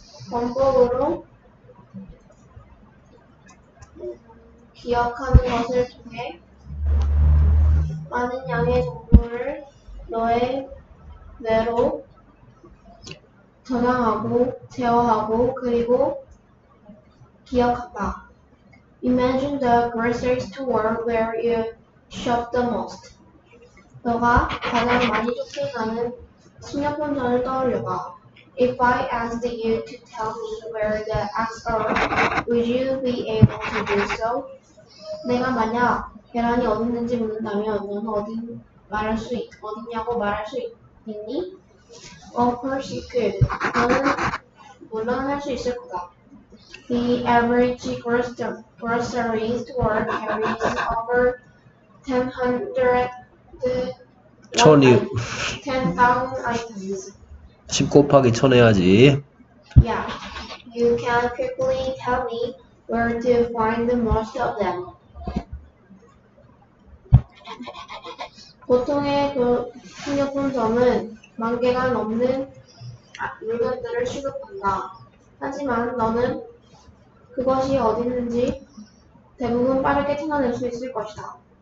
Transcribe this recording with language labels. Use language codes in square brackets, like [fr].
[ko] 반복으로 기억하는 것을 통해 많은 양의 정보를 너의 뇌로 저장하고 제어하고 그리고 기억한다. [en] Imagine the grocery store where you shop the most. [ko] 너가 가장 많이 쇼핑하는 식료품점을 떠올려봐. [en] If I asked you to tell me where the eggs are, would you be able to do so? [ko] 내가 만약 계란이 어디 있는지 묻는다면 너는 어디냐고 말할 수 있니? [en] Of course you could. [ko] 너는 물론 할 수 있을 거다. [en] The average grocery store carries over 10,000 items. [ko] 10 곱하기 1000 해야지. [en] Yeah. You can quickly tell me where to find the most of them. [ko] 보통의 그 식료품점은 만 개가 넘는 물건들을 취급한다. 하지만 너는 그것이 어디 있는지 대부분 빠르게 찾아낼 수 있을 것이다.